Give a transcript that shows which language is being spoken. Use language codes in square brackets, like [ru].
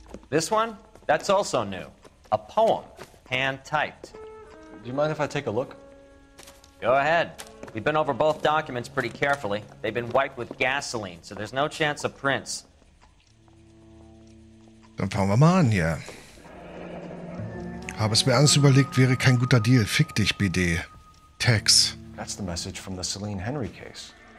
[en] This one? That's also new. A poem, hand-typed. Do you mind if I take a look? Go ahead. We've been over both documents pretty carefully. They've been wiped with gasoline, so there's no chance of prints. [de] Dann fangen wir mal an hier. Habe es mir ernst überlegt, wäre kein guter Deal. Fick dich, BD. Tex. [en] That's the message from the Celine Henry case.